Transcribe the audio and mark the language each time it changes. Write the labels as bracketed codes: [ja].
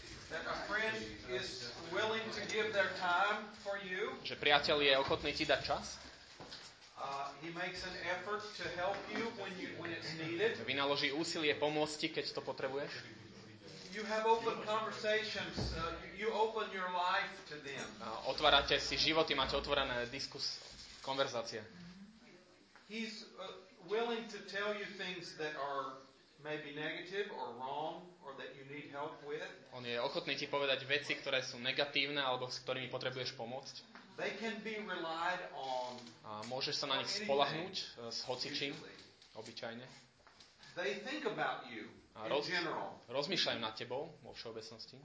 [en] That a friend is willing to give their time for you. [sk] Že priateľ je ochotný ti dať čas. [en] He makes an effort to help you when it's needed. [sk] Vynaloží úsilie pomôcť ti, keď to potrebuješ. [en] You have open conversations. You open your life to them. [sk] Otvárate si životy, máte otvorené konverzácie. [en] He's willing to tell you things that are maybe negative or wrong or that you need help with. [sk] On je ochotný ti povedať veci, ktoré sú negatívne alebo s ktorými potrebuješ pomôcť. [en] They can be relied on. [sk] A môžeš sa na nich spoľahnúť s hocičím, obyčajne. [en] They think about you in general. [sk] Rozmýšľajú nad tebou vo všeobecnosti.